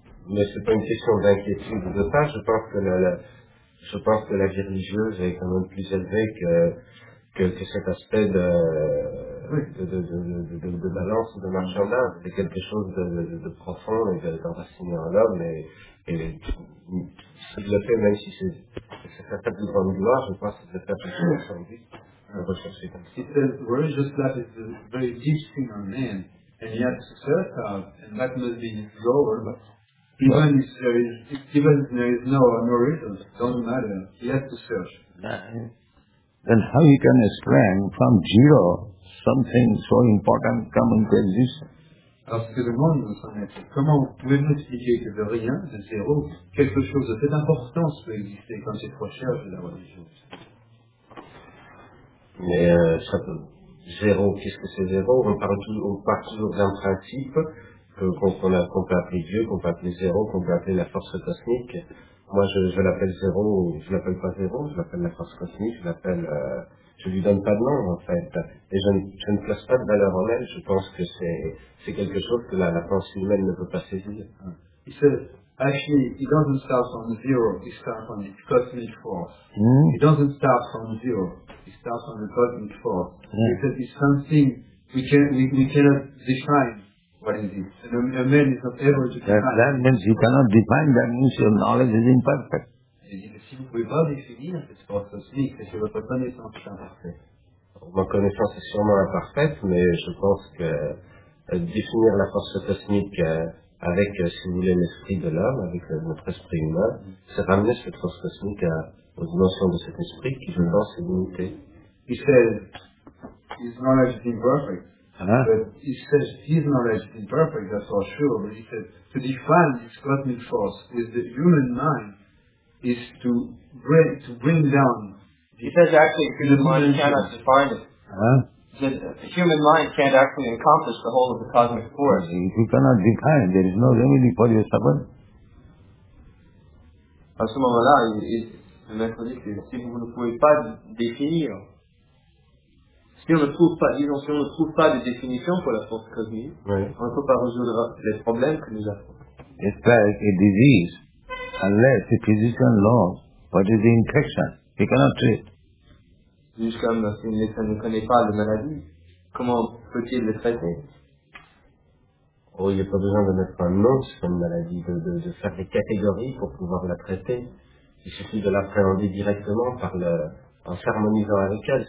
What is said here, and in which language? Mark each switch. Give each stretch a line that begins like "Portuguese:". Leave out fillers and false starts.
French: Mais c'est pas une question d'inquiétude de part. Je pense que la vie religieuse est quand même plus élevée que cet aspect de balance, de marchandage. C'est quelque chose de profond et d'enraciné en l'homme. Et ce que je fais, même si c'est un peu de grande gloire, je crois que c'est un peu plus profondé de rechercher comme ça.
English: The religious life is a very deep thing on man, and yet to search out, and that must be his goal, but even if there is no reason, it doesn't matter, he has to search. Then how he can explain from zero something so important come into existence?
French: Parce que le monde nous en est. Comment pouvez-vous expliquer que de rien, de zéro, quelque chose de cette importance peut exister comme cette recherche de la religion? Mais ça peut... Zéro, qu'est-ce que c'est zéro? On part toujours d'un principe qu'on peut appeler Dieu, qu'on peut appeler zéro, qu'on peut appeler la force cosmique. Moi, je l'appelle zéro, je l'appelle pas zéro, je l'appelle la force cosmique, je lui donne pas de nom, en fait. Et je ne place pas de valeur en elle. Je pense que c'est quelque chose que la pensée humaine ne peut pas saisir.
English: He says, actually, he doesn't start from zero, he starts from the cosmic force. He doesn't start from zero, he starts from the cosmic force. Because it's something we cannot define. What is it? And a man is not able to define. That means you cannot define, that means your knowledge is imperfect.
French: Si vous ne pouvez pas définir cette force cosmique, c'est que votre connaissance est imparfaite. Ma connaissance est sûrement imparfaite, mais je pense que définir la force cosmique avec, si vous voulez, l'esprit de l'homme, avec notre esprit humain, c'est ramener cette force cosmique aux dimensions de cet esprit qui, je pense, est limité. Il dit,
English: his knowledge is imperfect. That's for sure. But he said, to define this cosmic force with the human mind, is to bring down. He says actually, human mind cannot define it. The human mind can't actually encompass the whole of the cosmic force. If you cannot define, there is no remedy for your suffering.
French: À ce moment-là, le maître dit que si vous ne pouvez pas définir, si on ne trouve pas de définition pour la force cosmique, on ne peut pas résoudre les problèmes que nous avons.
English: It's like a disease. Unless the physician knows what is the infection, he cannot treat.
French: Juste comme si le médecin ne connaît pas la maladie, comment peut-il le traiter? Oh, il n'y a pas besoin de mettre un nom sur une maladie, de faire des catégories pour pouvoir la traiter. Il suffit de l'appréhender directement en s'harmonisant avec elle.